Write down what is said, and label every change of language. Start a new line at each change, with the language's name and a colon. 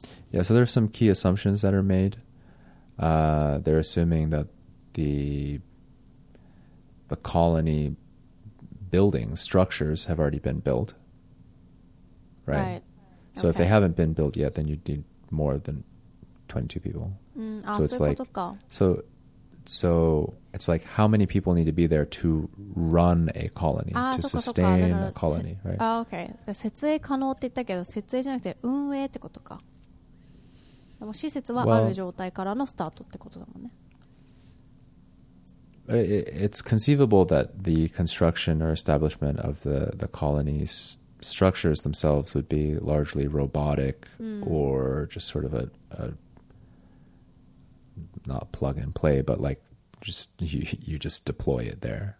English: Yeah, so there are some key assumptions that are made. They're assuming that the colony building structures have already been built, right? So okay. If they haven't been built yet, then you'd need more than 22 people. So it's like, so it's like, how many people need to be there to run a colony, to sustain a colony, right? Okay.
Japanese: 設営可能って言ったけど、設営じゃなくて運営ってことか。でも施設はある状態からのスタートってことだもんね。
English: It's conceivable that the construction or establishment of the colony's structures themselves would be largely robotic or just sort of a not plug and play, but like, just you just deploy it there.